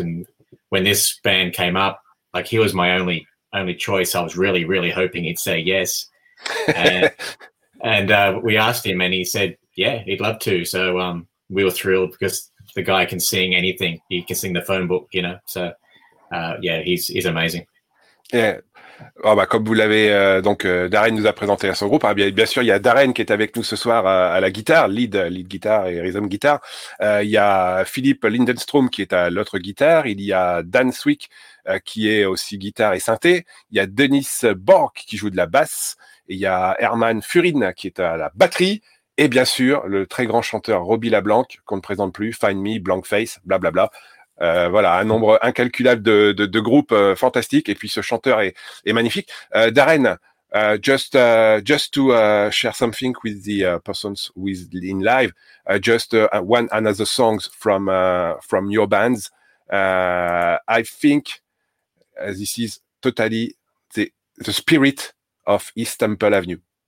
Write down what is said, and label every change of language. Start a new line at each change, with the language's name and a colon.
English: And when this band came up, like, he was my only choice. I was really, really hoping he'd say yes. And we asked him, and he said, yeah, he'd love to. So we were thrilled, because the guy can sing anything. He can sing the phone book, you know. So, he's amazing. Yeah.
French: Oh bah, comme vous l'avez, Darren nous a présenté à son groupe, hein, bien sûr, il y a Darren qui est avec nous ce soir à la guitare, lead guitare et rhythm guitare. Il y a Philippe Lindenstrom qui est à l'autre guitare. Il y a Dan Swick qui est aussi guitare et synthé. Il y a Denis Bork qui joue de la basse. Et il y a Herman Furin qui est à la batterie. Et bien sûr, le très grand chanteur Robbie LaBlanc, qu'on ne présente plus, Find Me, Blank Face, blablabla. Voilà, un nombre incalculable de groupes fantastiques, et puis ce chanteur est magnifique.
English: Darren, just to share something with the persons with in live, one another songs from your bands. I think this is totally the spirit of East Temple Avenue.